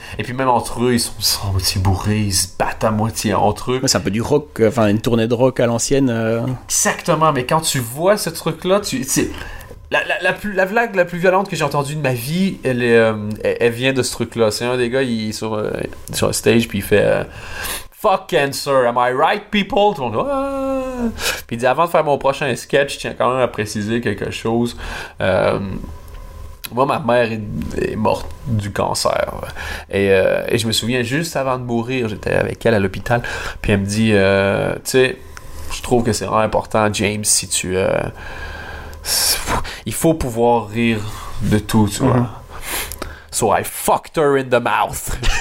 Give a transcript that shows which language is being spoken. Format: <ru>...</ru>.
<fr>Et puis même entre eux, ils sont à moitié bourrés, ils se battent à moitié entre eux. Mais c'est un peu du rock, enfin une tournée de rock à l'ancienne. Exactement, mais quand tu vois ce truc-là, tu sais. La vague la plus violente que j'ai entendue de ma vie, elle vient de ce truc-là. C'est un des gars, il est sur un stage, puis il fait.</fr> <en>Fuck cancer, am I right, people?</en> <fr>Tout le monde dit, puis il dit, avant de faire mon prochain sketch, je tiens quand même à préciser quelque chose. Moi, ma mère est morte du cancer. Et je me souviens, juste avant de mourir, j'étais avec elle à l'hôpital. Puis elle me dit, tu sais, je trouve que c'est vraiment important, James, si tu... il faut pouvoir rire de tout, tu vois.</fr> <en>So I fucked her in the mouth.</en>